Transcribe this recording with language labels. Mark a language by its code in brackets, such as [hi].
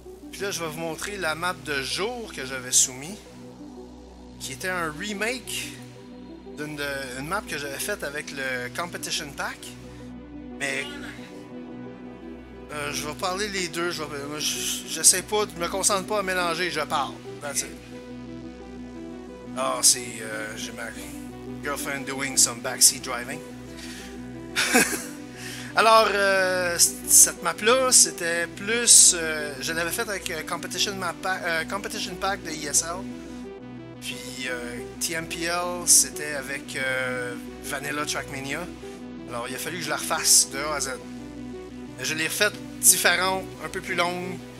[fr] Puis là, je vais vous montrer la map de jour que j'avais soumis. Qui était un remake d'une map que j'avais faite avec le Competition Pack. Mais... je vais parler les deux. Je me concentre pas à mélanger. Je parle. [en] That's it. [fr] Ah, c'est... j'ai ma [en] girlfriend doing some backseat driving. [fr] Alors, cette map-là, c'était plus... je l'avais faite avec Competition Pack de ESL. Puis TMPL, c'était avec Vanilla Trackmania. Alors, il a fallu que je la refasse de A à Z. Je l'ai refaite différente, un peu plus longue.